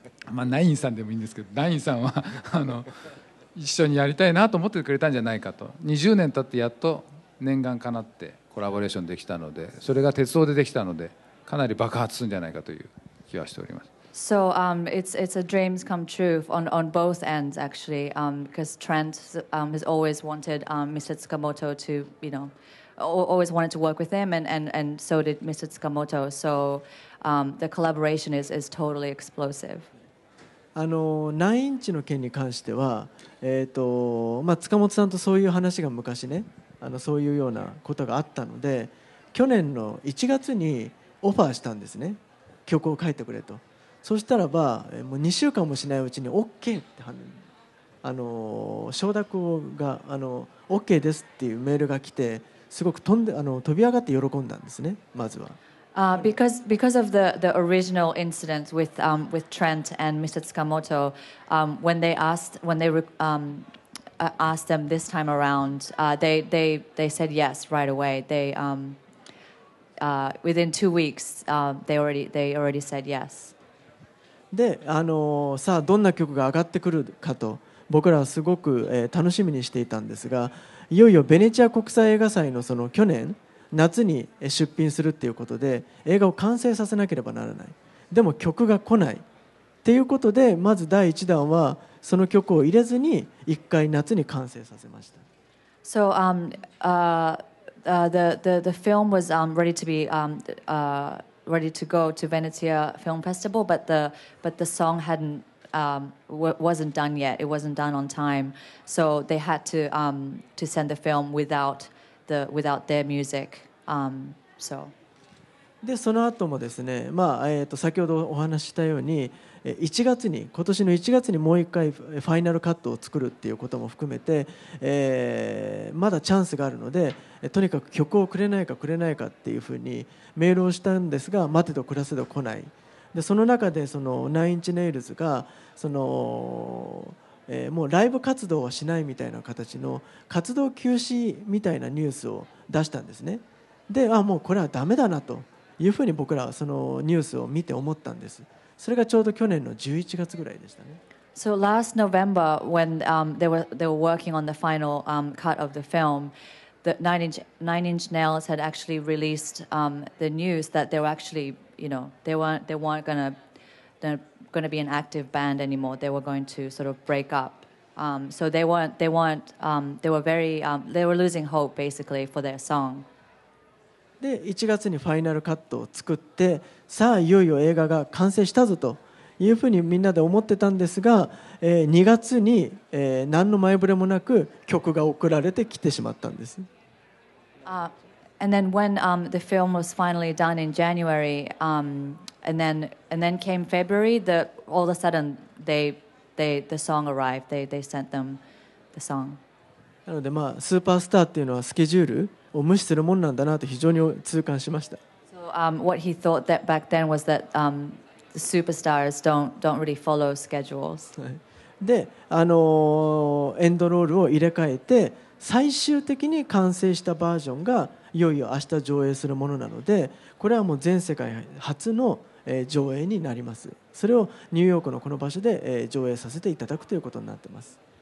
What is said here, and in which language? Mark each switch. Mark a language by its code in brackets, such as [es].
[ja] まあナインさんでもいいんですけど、ナインさんはあの一緒にやりたいなと思ってくれたんじゃないかと。 20年経ってやっと念願かなってコラボレーションできたので、それが鉄道でできたのでかなり爆発するんじゃないかという気はしております。 [en] So it's a dreams come true on both ends actually, because Trent has always wanted Mr. Tsukamoto to, you know, always wanted to work with him, and so did Mr. Tsukamoto, so the collaboration is totally explosive. [ja] あの9インチの件に関しては、まあ、塚本さんとそういう話が昔ね、あのそういうようなことがあったので、去年の1月にオファーしたんですね、曲を書いてくれと。そしたらば、もう2週間もしないうちに OK って承諾が、あの OK ですっていうメールが来て、すごく飛んで、あの飛び上がって喜んだんですね、まずは。 [en] Because of the original incident with Trent and Mr. Tsukamoto, when they asked them this time around, they said yes right away. They within 2 weeks, they already said yes. [ja] で、さあどんな曲が上がってくるかと僕らはすごく、楽しみにしていたんですが、いよいよベネチア国際映画祭のその去年夏に出品するっていうことで映画を完成させなければならない。でも曲が来ないっていうことで、まず第一弾はその曲を入れずに一回夏に完成させました。 [en] So the film was ready to be ready to go to Venezia Film Festival, but the song hadn't wasn't done yet. It wasn't done on time. So they had to send the film without their music. So. [ja] でその後もですね、まあ先ほどお話したように1月に、今年の1月にもう一回ファイナルカットを作るっていうことも含めて、まだチャンスがあるので、とにかく曲をくれないかくれないかっていうふうにメールをしたんですが、待てど暮らせど来ない。でその中でそのナインチネイルズがそのもうライブ活動はしないみたいな形の活動休止みたいなニュースを出したんですね。で、あ、もうこれはダメだなというふうに僕らはそのニュースを見て思ったんです。それがちょうど去年の11月ぐらいでしたね。 [en] So last November, when they were working on the final cut of the film, the Nine Inch Nails had actually released the news that they were actually, you know, they weren't gonna be an active band anymore. They were going to sort of break up. So they weren't. They were very. They were losing hope basically for their song. [ja] で1月にファイナルカットを作って、さあいよいよ映画が完成したぞというふうにみんなで思ってたんですが、2月に、何の前触れもなく曲が送られてきてしまったんです。 [en] And then when the film was finally done in January, And then came February. All of a sudden, the song arrived. They sent them the song. [ja] なので、まあ、スーパースターっていうのはスケジュールを無視するもんなんだなと非常に痛感しました。 [en] So, what he thought that back then was that, the superstars don't really follow schedules. [ja] で、エンドロールを入れ替えて最終的に完成したバージョンがいよいよ明日上映するものなので、これはもう全世界初の上映になります。それをニューヨークのこの場所で上映させていただくということになってます。